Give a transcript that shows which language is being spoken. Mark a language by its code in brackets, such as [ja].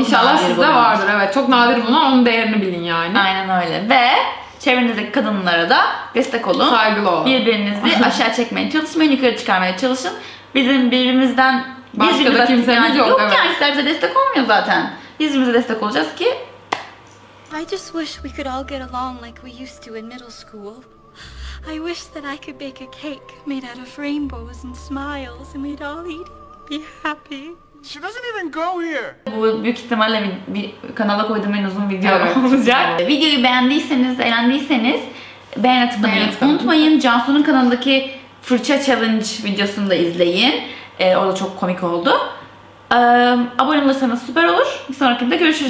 [tr] İnşallah sizde vardır, evet. Çok nadir bulunan, onun değerini bilin yani. Aynen öyle. Ve çevrenizdeki kadınlara da destek olun. Saygılı olun. Birbirinizi aşağı çekmeye çalışmayın, yukarı çıkarmaya çalışın. Bizim birbirimizden başka da kimsemiz yani. Yok. Yok evet. Yani işte bize destek olmuyor zaten. Bizimize destek olacağız ki. [en] I just wish we could all get along like we used to in middle school. I wish that I could bake a cake made out of rainbows and smiles and we'd all eat be happy. She doesn't even go here. [tr] Bu büyük ihtimalle bir kanala koyduğum en uzun video evet. Olacak. Videoyu beğendiyseniz, eğlendiyseniz beğeni tıklamayı unutmayın. Cansu'nun kanalındaki fırça challenge videosunu da izleyin. O da çok komik oldu. Abone olursanız süper olur. Bir sonraki videoda görüşürüz.